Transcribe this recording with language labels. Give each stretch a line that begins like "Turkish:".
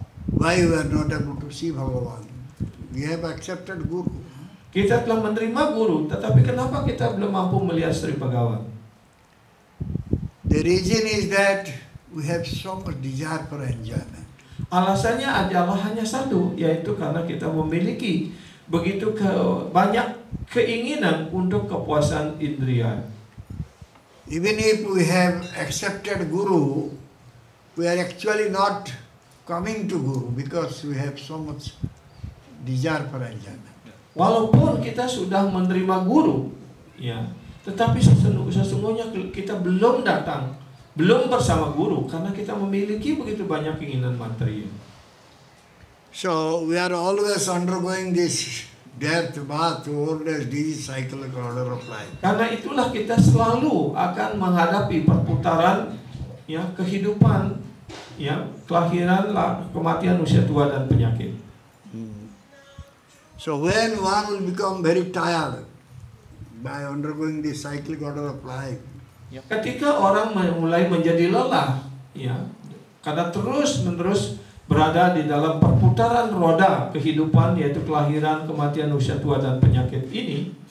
English: Why we are not able to see Bhagavan? We have accepted guru.
Indonesian: Kita telah menerima guru, tetapi kenapa kita belum mampu melihat Sri Bhagavan?
English: The reason is that we have so much desire for enjoyment.
Indonesian: Alasannya adalah hanya satu, yaitu karena kita memiliki begitu banyak keinginan untuk kepuasan indria.
English: Even if we have accepted guru, we are actually not coming to guru because we have so much desire for enjoyment.
Indonesian: Walaupun kita sudah menerima guru, ya, tetapi sesungguhnya kita belum datang, belum bersama guru, karena kita memiliki begitu banyak keinginan materi.
English: So we are always undergoing this death, birth, old age, disease cycle, order of life.
Indonesian: Karena itulah kita selalu akan menghadapi perputaran, ya, kehidupan, ya, kelahiran, kematian, usia tua dan penyakit.
English: So when one will become very tired by undergoing the cyclic order of life.
Indonesian: Ketika orang mulai menjadi lelah, ya, karena terus-menerus berada di dalam perputaran roda kehidupan, yaitu kelahiran, kematian, usia tua dan penyakit ini.